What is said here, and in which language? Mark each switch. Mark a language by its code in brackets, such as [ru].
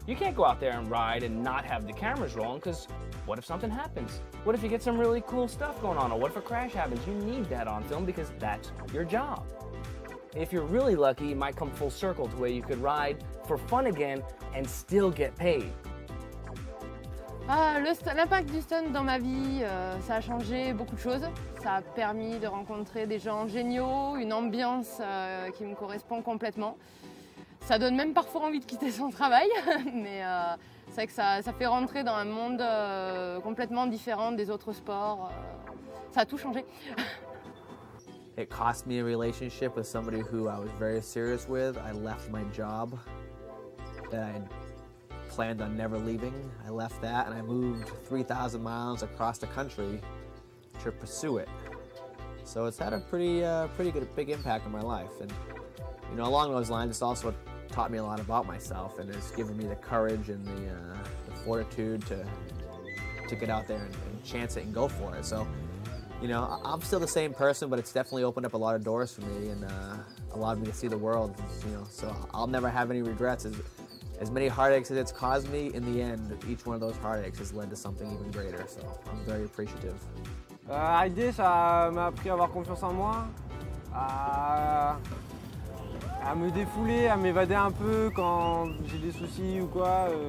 [en] You can't go out there and ride and not have the cameras rolling, because what if something happens? What if you get some really cool stuff going on? Or what if a crash happens? You need that on film because that's your job. If you're really lucky, it might come full circle to where you could ride for fun again and still get paid. [fr] L'impact du stunt dans ma vie, ça a changé beaucoup de choses. Ça a permis de rencontrer des gens géniaux, une ambiance qui me correspond complètement. Ça donne même parfois envie de quitter son travail, mais c'est vrai que ça fait rentrer dans un monde complètement différent des autres sports. Ça a tout changé. [en] It cost me a relationship with somebody who I was very serious with. I left my job that I planned on never leaving. I left that and I moved 3,000 miles across the country to pursue it. So it's had a pretty good, big impact on my life. And, you know, along those lines, it's also taught me a lot about myself and has given me the courage and the fortitude to get out there and chance it and go for it. So, you know, I'm still the same person, but it's definitely opened up a lot of doors for me and allowed me to see the world, you know. So I'll never have any regrets. As many heartaches as it's caused me, in the end, each one of those heartaches has led to something even greater. So I'm very appreciative. [fr] ID, ça m'a appris à avoir confiance en moi, à me défouler, à m'évader un peu quand j'ai des soucis ou quoi.